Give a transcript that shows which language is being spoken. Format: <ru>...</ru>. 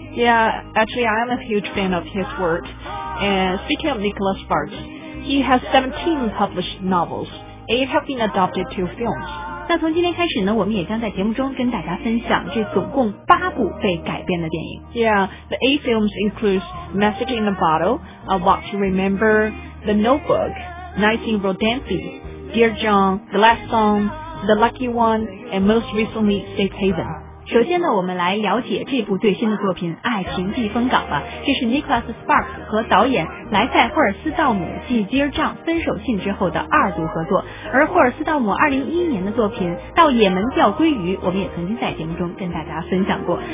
<en>Yeah, actually, I'm a huge fan of his work. And speaking of Nicholas Sparks, he has 17 published novels, 8 have been adapted to films.</en> <zh>那从今天开始呢，我们也将在节目中跟大家分享这总共八部被改编的电影。</zh> <en>Yeah, the eight films include Message in a Bottle, A Walk to Remember, The Notebook, Night in Rodanthe, Dear John, The Last Song, The Lucky One, and most recently, Safe Haven.</en> <zh>首先呢，我们来了解这部最新的作品《爱情避风港》吧。这是 Nicholas Sparks 和导演莱塞·霍尔斯道姆继《Dear John》分手信之后的二度合作。而霍尔斯道姆2011年的作品《到也门钓鲑鱼》，我们也曾经在节目中跟大家分享过。</zh>